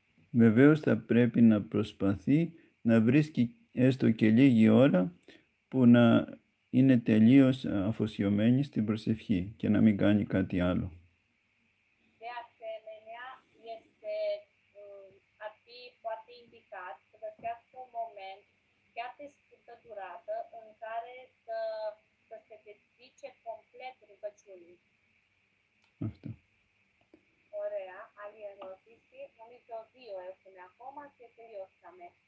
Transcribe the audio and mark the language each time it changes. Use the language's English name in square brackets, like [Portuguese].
[Greek] Βεβαίως θα πρέπει να προσπαθεί να βρίσκει έστω και λίγη ώρα που να είναι τελείως αφοσιωμένη στην προσευχή και να μην κάνει κάτι άλλο. [Romanian] De asemenea, este ar fi foarte indicat să găsească un moment chiar de scurtă durată în care să se dedice complet rugăciunii. Asta. [Greek] Ωραία, άλλη ερώτηση. Νομίζω δύο έχουμε ακόμα και τελειώσαμε.